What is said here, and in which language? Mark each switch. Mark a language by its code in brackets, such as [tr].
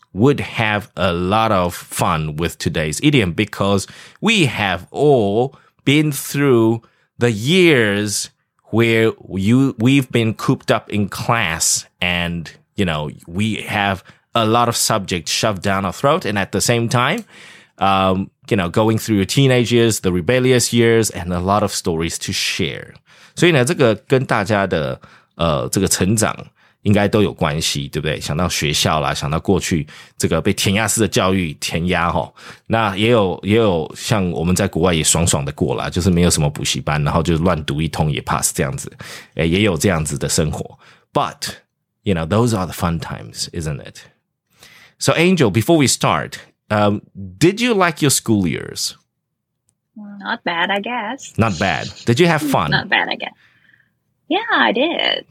[en] would have a lot of fun with today's idiom because we have all been through the years where we've been cooped up in class and, you know, we have a lot of subjects shoved down our throat. And at the same time, you know, going through your teenage years, the rebellious years, and a lot of stories to share. [zh] 所以呢，这个跟大家的这个成长应该都有关系，对不对？想到学校啦，想到过去这个被填鸭式的教育填鸭齁。那也有像我们在国外也爽爽的过啦，就是没有什么补习班，然后就乱读一通也 pass 这样子。诶，也有这样子的生活。 [en] But, you know, those are the fun times, isn't it? So Angel, before we start, did you like your school years? Not bad, I guess. Not bad. Did you have fun? Not bad, I guess. Yeah, I did.